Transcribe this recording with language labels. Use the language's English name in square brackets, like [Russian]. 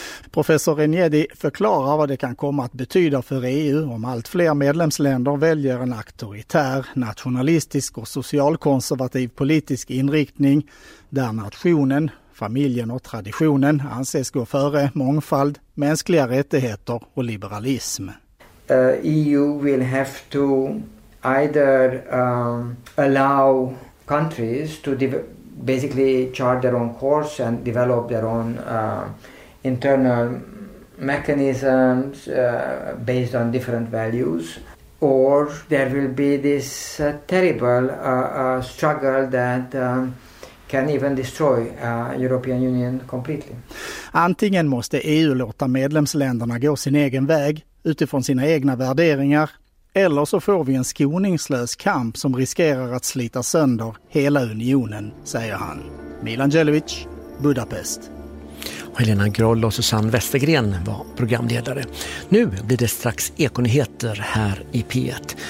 [Swedish] Professor Renjedi förklarar vad det kan komma att betyda för EU om allt fler medlemsländer väljer en auktoritär, nationalistisk och socialkonservativ politisk inriktning där nationen, familjen och traditionen anses gå före mångfald, mänskliga rättigheter och liberalism. [English] EU will have to either allow countries to basically chart their own course and develop their own internal mechanisms based on different values, or there will be this terrible struggle that can even destroy European Union completely. [Swedish] Antingen måste EU låta medlemsländerna gå sin egen väg utifrån sina egna värderingar, eller så får vi en skoningslös kamp som riskerar att slita sönder hela unionen, säger han. Milan Jelovic, Budapest. Helena Groll och Susanne Westergren var programledare. Nu blir det strax ekonyheter här i P1.